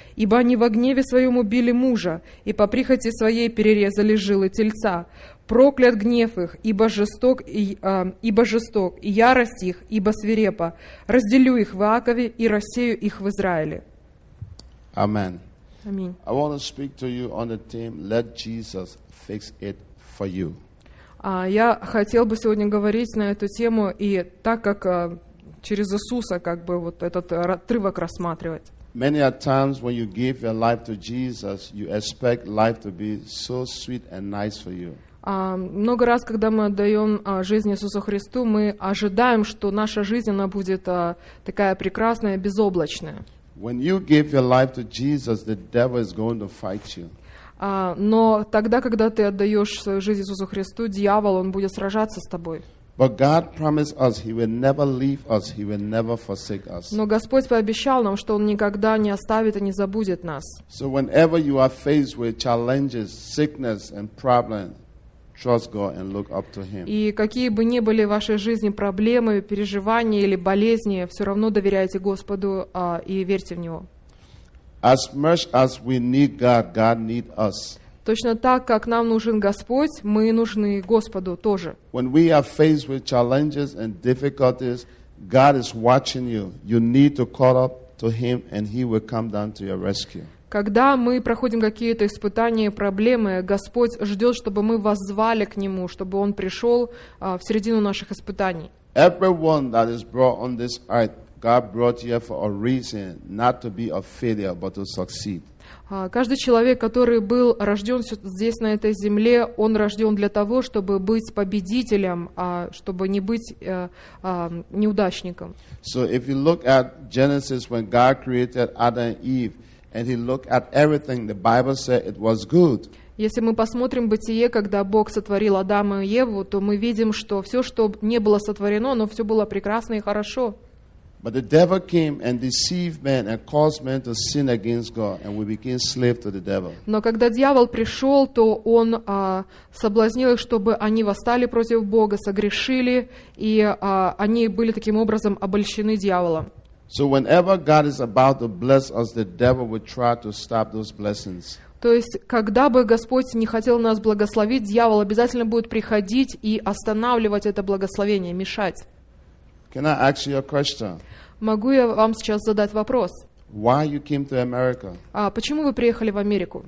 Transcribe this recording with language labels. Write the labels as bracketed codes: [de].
[ru] Ибо они во гневе своем убили мужа, и по прихоти своей перерезали жилы тельца. Проклят гнев их, ибо жесток, и ярость их, ибо свирепа. Разделю их в Иакове и рассею их в Израиле. Amen. Аминь. [en] I want to speak to you on the theme, let Jesus fix it for you. [ru] Я хотел бы сегодня говорить на эту тему, и так как через Иисуса как бы вот этот отрывок рассматривать. [en] Many a times when you give your life to Jesus, you expect life to be so sweet and nice for you. [ru] Много раз, когда мы отдаем жизнь Иисусу Христу, мы ожидаем, что наша жизнь она будет такая прекрасная, безоблачная. [en] When you give your life to Jesus, the devil is going to fight you. [ru] Но тогда, когда ты отдаешь свою жизнь Иисусу Христу, дьявол, он будет сражаться с тобой. [en] But God promised us he will never leave us, he will never forsake us. [ru] Но Господь пообещал нам, что он никогда не оставит и не забудет нас. [en] So whenever you are faced with challenges, sickness and problems, trust God and look up to him. [ru] И какие бы ни были в вашей жизни проблемы, переживания или болезни, все равно доверяйте Господу и верьте в Него. [en] As much as we need God, God needs us. [ru] Точно так, как нам нужен Господь, мы нужны Господу тоже. [en] When we are faced with challenges and difficulties, God is watching you. You need to call up to Him, and He will come down to your rescue. [ru] Когда мы проходим какие-то испытания, проблемы, Господь ждет, чтобы мы воззвали к Нему, чтобы Он пришел в середину наших испытаний. [en] Everyone that is brought on this earth. God brought you here for a reason, not to be a failure, but to succeed. [ru] Каждый человек, который был рожден здесь, на этой земле, он рожден для того, чтобы быть победителем, чтобы не быть неудачником. [en] So if you look at Genesis, when God created Adam and Eve, and he looked at everything, the Bible said it was good. [ru] Если мы посмотрим Бытие, когда Бог сотворил Адама и Еву, то мы видим, что все, что не было сотворено, оно все было прекрасно и хорошо. [en] But the devil came and deceived man and caused man to sin against God, and we became slave to the devil. [ru] Но когда дьявол пришел, то он соблазнил их, чтобы они восстали против Бога, согрешили, и они были таким образом обольщены дьяволом. [en] So whenever God is about to bless us, the devil would try to stop those blessings. [ru] То есть, когда бы Господь не хотел нас благословить, дьявол обязательно будет приходить и останавливать это благословение, мешать. [en] Can I ask you a question? [ru] Могу я вам сейчас задать вопрос? [en] Why you came to America? [ru] А почему вы приехали в Америку?